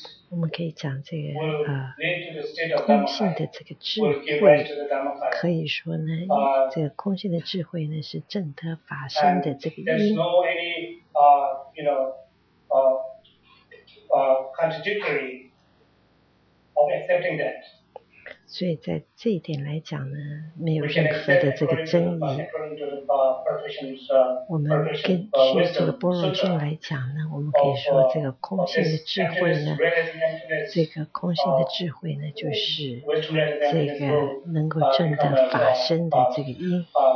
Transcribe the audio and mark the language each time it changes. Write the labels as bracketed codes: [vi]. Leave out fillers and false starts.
[zh] 我们可以讲这个空性的这个智慧，可以说呢，这个空性的智慧呢是证得法身的这个因。 [en] There's no any, you know, contradictory of accepting that. [zh] 所以在这一点来讲呢，没有任何的这个争议。我们根据这个般若经来讲呢，我们可以说这个空性的智慧呢，这个空性的智慧呢，就是这个能够证得法身的这个因。